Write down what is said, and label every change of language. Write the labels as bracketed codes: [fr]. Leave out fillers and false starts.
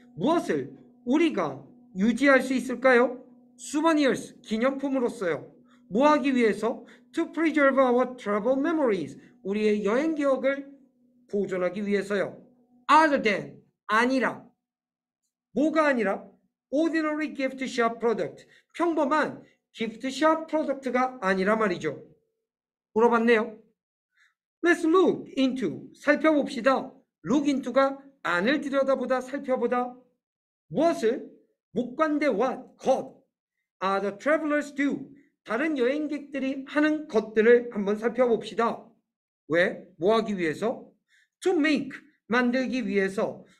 [ko] 무엇을 우리가 유지할 수 있을까요? Souvenirs, 기념품으로서요. 뭐 하기 위해서? [en] To preserve our travel memories, [ko] 우리의 여행 기억을 보존하기 위해서요. [en] Other than, [ko] 아니라. 뭐가 아니라 [en] ordinary gift shop product, [ko] 평범한 gift shop product가 아니라 말이죠. 물어봤네요. [en] Let's look into, [ko] 살펴봅시다. look into가 안을 들여다보다, 살펴보다. What을? 못관대 what, 것. [en] Other travelers do, [ko] 다른 여행객들이 하는 것들을 한번 살펴봅시다. 왜? 뭐 하기 위해서? [en] To make, [ko] 만들기 위해서.